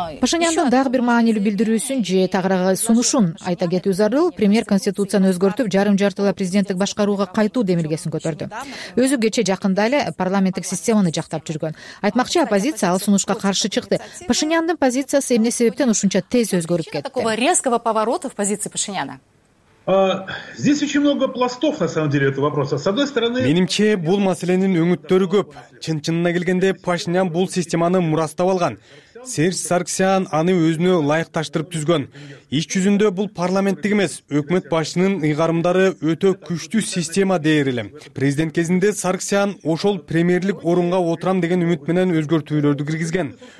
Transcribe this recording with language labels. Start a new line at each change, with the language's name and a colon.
Kyrgyz: Пашинянын дагы бир маанилүү билдирүүсүн же тагыраага сунушун айта кетүү зарыл. Премьер конституцияны өзгөртүп, жарым-жартылай президенттик башкарууга кайтуу демилгесин көтөрдү. Өзү кече жакында эле парламенттик системаны жактап жүргөн. Айтмакчы, оппозиция ал сунушка каршы чыкты. Пашинянын позициясы эмне себептен ушунча тез өзгөрүп кетти?
Russian: Резкого поворота в позиции Пашиняна. Здесь очень много пластов, на самом деле, этого вопроса. С одной стороны...
Kyrgyz: Менимче, бул маселенин өңүттөрү көп. Чын-чынына келгенде, Пашинян бул системаны мурастап алган. Серж Сарксян аны өзүнө ылайыкташтырып түзгөн. Иш жүзүндө бул парламенттик эмес, өкмөт башчынын ыйгарымдары өтө күчтүү система дээр эле. Президент кезинде Сарксян ошол премьерлик орунга отурам деген үмүт менен өзгөртүүлөрдү киргизген.